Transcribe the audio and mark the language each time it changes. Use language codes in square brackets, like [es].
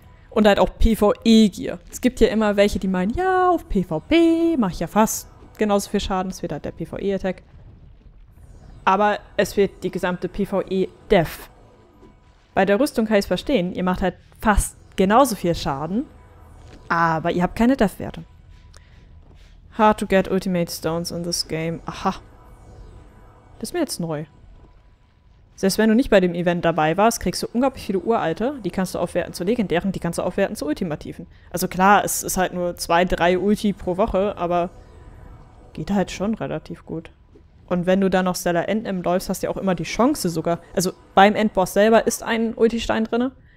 [de] Und halt auch PvE-Gear. Es gibt ja immer welche, die meinen, ja, auf PvP mache ich ja fast genauso viel Schaden. Es wird halt der PvE-Attack. Aber es wird die gesamte PvE-Dev. Bei der Rüstung kann ich es verstehen. Ihr macht halt fast genauso viel Schaden. Aber ihr habt keine Dev-Werte. [en] Hard to get Ultimate Stones in this game. [de] Aha. Das ist mir jetzt neu. Selbst wenn du nicht bei dem Event dabei warst, kriegst du unglaublich viele Uralte. Die kannst du aufwerten zu Legendären, die kannst du aufwerten zu Ultimativen. Also klar, es ist halt nur 2-3 Ulti pro Woche, aber geht halt schon relativ gut. Und wenn du dann noch Stellar Endem läufst, hast du ja auch immer die Chance sogar. Also beim Endboss selber ist ein Ulti-Stein drin.